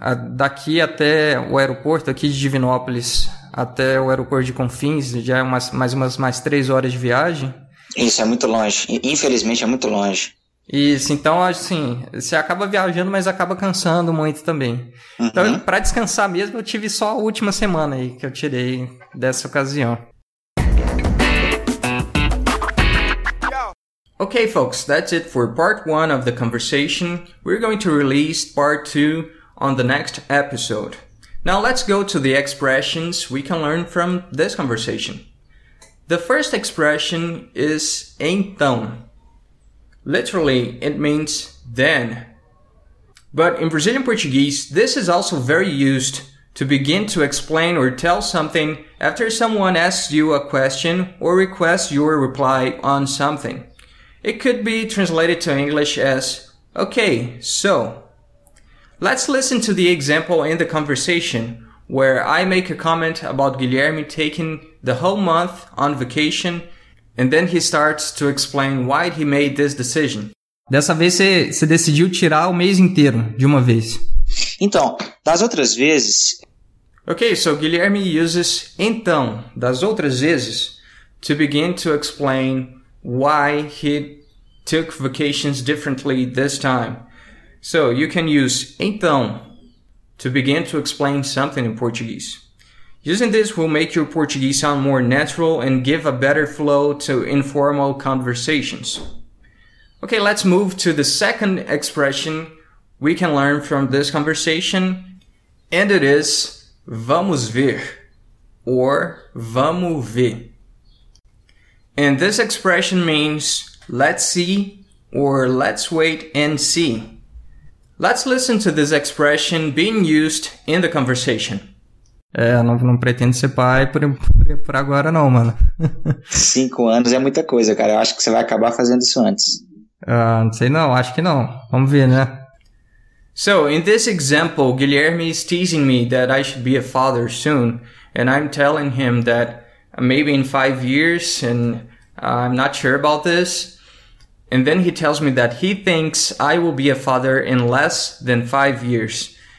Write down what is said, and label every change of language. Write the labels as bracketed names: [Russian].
[Portuguese] Daqui até o aeroporto, aqui de Divinópolis, até o aeroporto de Confins, já é mais 3 horas de viagem. Isso, é muito longe. Infelizmente, é muito longe. Isso, então, assim, você acaba viajando, mas acaba cansando muito também. Uhum. Então, para descansar mesmo, eu tive só a última semana aí que eu tirei dessa ocasião. [English] Okay, folks, that's it for part one of the conversation. We're going to release part two on the next episode. Now let's go to the expressions we can learn from this conversation. The first expression is então. Literally, it means then. But in Brazilian Portuguese, this is also very used to begin to explain or tell something after someone asks you a question or requests your reply on something. It could be translated to English as, okay, so. Let's listen to the example in the conversation, where I make a comment about Guilherme taking the whole month on vacation, and then he starts to explain why he made this decision. [Portuguese] Dessa vez você decidiu tirar o mês inteiro de uma vez. Então, das outras vezes... [English] Okay, so Guilherme uses [Portuguese] então, das outras vezes, [English] to begin to explain why he took vacations differently this time. So, you can use então to begin to explain something in Portuguese. Using this will make your Portuguese sound more natural and give a better flow to informal conversations. Okay, let's move to the second expression we can learn from this conversation. And it is [Portuguese] vamos ver [English] or vamos ver. And this expression means let's see or let's wait and see. Let's listen to this expression being used in the conversation. [Portuguese] Não pretendo ser pai por agora não, mano. 5 anos é muita coisa, cara. Eu acho que você vai acabar fazendo isso antes. Não sei não, acho que não. Vamos ver, né? [English] So, in this example, Guilherme is teasing me that I should be a father soon. And I'm telling him that maybe in 5 years and I'm not sure about this. And then he tells me that he thinks I will be a father in less than 5 years.